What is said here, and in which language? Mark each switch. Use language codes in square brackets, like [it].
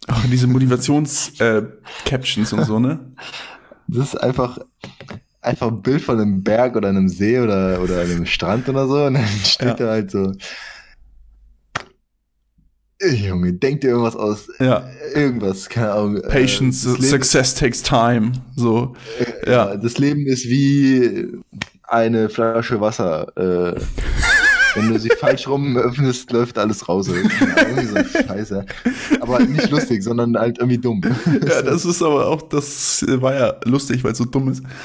[de] Auch diese Motivations-Captions und so, ne? Das ist einfach ein Bild von einem Berg oder einem See oder einem Strand oder so. Und dann steht da halt so, Junge, denk dir irgendwas aus. Ja. Irgendwas, keine Ahnung. [en] Patience, success takes time. [de] So. Ja. Das Leben ist wie eine Flasche Wasser. Wenn du sie falsch rum öffnest, läuft alles raus. Irgendwie so scheiße. Aber nicht lustig, sondern halt irgendwie dumm. Ja, das ist aber auch, das war ja lustig, weil es so dumm ist.